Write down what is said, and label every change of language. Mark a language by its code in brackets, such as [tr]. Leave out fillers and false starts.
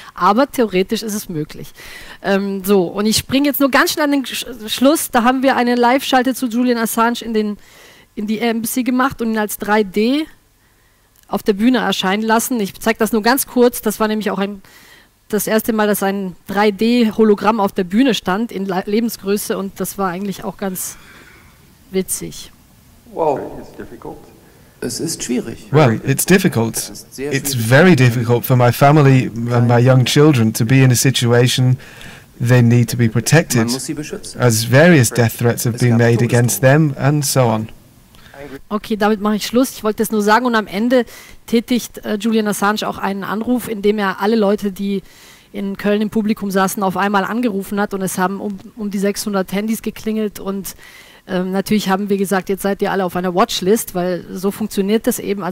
[de] Aber theoretisch ist es möglich. So, und ich springe jetzt nur ganz schnell an den Schluss, da haben wir eine Live-Schalte zu Julian Assange in die Embassy gemacht und ihn als 3D auf der Bühne erscheinen lassen. Ich zeige das nur ganz kurz, das war nämlich auch das erste Mal, dass ein 3D-Hologramm auf der Bühne stand, in Lebensgröße, und das war eigentlich auch ganz witzig. Wow, es ist schwierig. [en] Well, it's difficult. It's very difficult for my family and my young children to be in a situation they need to be protected, as various death threats have been made against them and so on. [de] Okay, damit mache ich Schluss. Ich wollte es nur sagen, und am Ende tätigt Julian Assange auch einen Anruf, in dem er alle Leute, die in Köln im Publikum saßen, auf einmal angerufen hat, und es haben um die 600 Handys geklingelt, und natürlich haben wir gesagt, jetzt seid ihr alle auf einer Watchlist, weil so funktioniert das eben.